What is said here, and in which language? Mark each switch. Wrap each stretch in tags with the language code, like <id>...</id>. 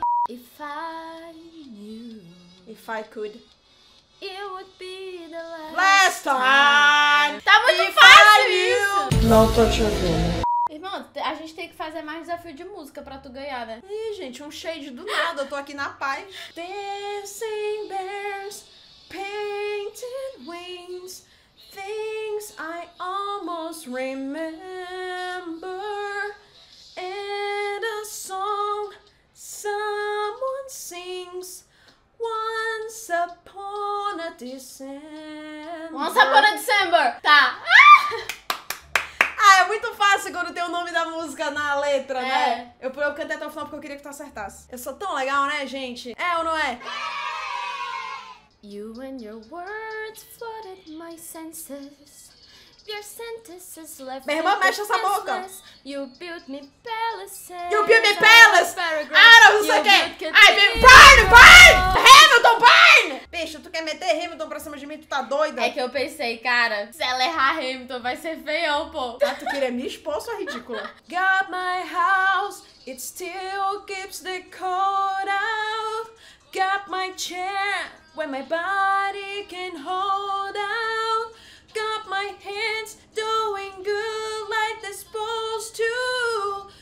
<en>If I knew, if I could, it would be the last, last time.</en> <pt>Tá muito fácil isso. Não tô te ouvindo. Irmão, a gente tem que fazer mais desafio de música pra tu ganhar, né? Ih, gente, um shade do nada, eu tô aqui na paz.</pt> <en>Dancing bears, painted wings, things I almost remember, and a song someone sings once upon a December. Once upon a December! Tá!</en> <pt>Ah, é muito fácil quando tem o nome da música na letra, é, né? Eu cantei até o final porque eu queria que tu acertasse. Eu sou tão legal, né, gente? É ou não é?</pt> <en>You and your words flooded my senses. Your sentences left.</en> <pt>Minha irmã, mexe essa boca.</pt> <en>You built me palaces. You built me palaces. Hamilton, burn!</en> <pt>Bicho, tu quer meter Hamilton pra cima de mim? Tu tá doida? É que eu pensei, cara, se ela errar Hamilton, vai ser feião, pô. Ah, tu queria me expor, sua ridícula.</pt> <en>Got my house, it still keeps the cold out. Got my chair, where my body can hold out. Got my hands doing good like they're supposed to.</en>